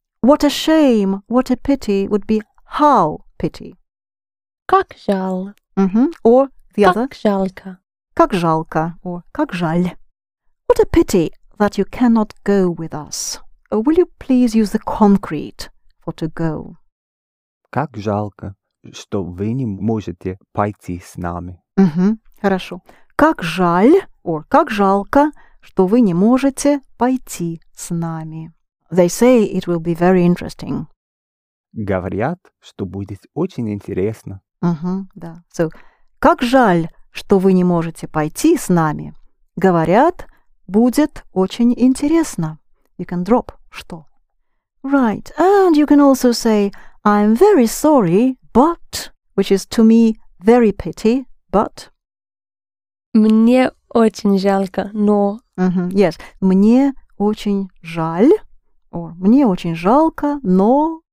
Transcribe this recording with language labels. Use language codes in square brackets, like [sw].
[en] What a shame, what a pity would be how pity. [ru] Как жаль. [en] Mm-hmm. Or the [ru] как [en] other. [ru] Как жалко. Как жалко. Or как жаль. [en] What a pity that you cannot go with us. Oh, will you please use the concrete for to go? [ru] Как жалко, что вы не можете пойти с нами. Mm-hmm. Хорошо. Как жаль, or как жалко, что вы не можете пойти с нами. [en] They say it will be very interesting. [ru] Говорят, что будет очень интересно. Mm-hmm, да. So, как жаль, что вы не можете пойти с нами. Говорят, будет очень интересно. [en] You can drop что. Right, and you can also say, I'm very sorry, but, which is to me very pity, but. [ru] Мне очень жалко, но. Mm-hmm, yes, мне очень жаль. Or, мне очень жалко, но...